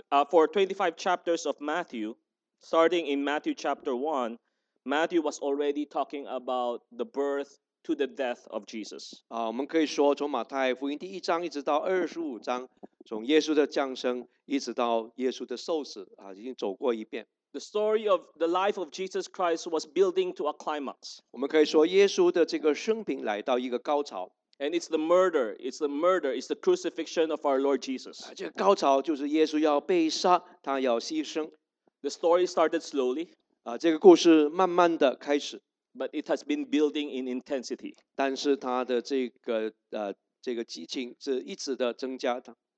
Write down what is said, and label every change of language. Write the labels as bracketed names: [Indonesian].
[English] For 25 chapters of Matthew, starting in Matthew chapter 1, Matthew was already talking about the birth to the death of Jesus. [Chinese] 我们可以说从马太福音第一章一直到二十五章，从耶稣的降生一直到耶稣的受死，已经走过一遍。 [English] The story of the life of Jesus Christ was building to a climax. [Chinese] 我们可以说耶稣的这个生平来到一个高潮。 [English] And it's the crucifixion of our Lord Jesus. [Chinese] 这个高潮就是耶稣要被杀，他要牺牲。 [English] The story started slowly. [Chinese] 这个故事慢慢的开始。 [English] But it has been building in intensity. [Chinese] 但是他的这个激情是一直的增加的。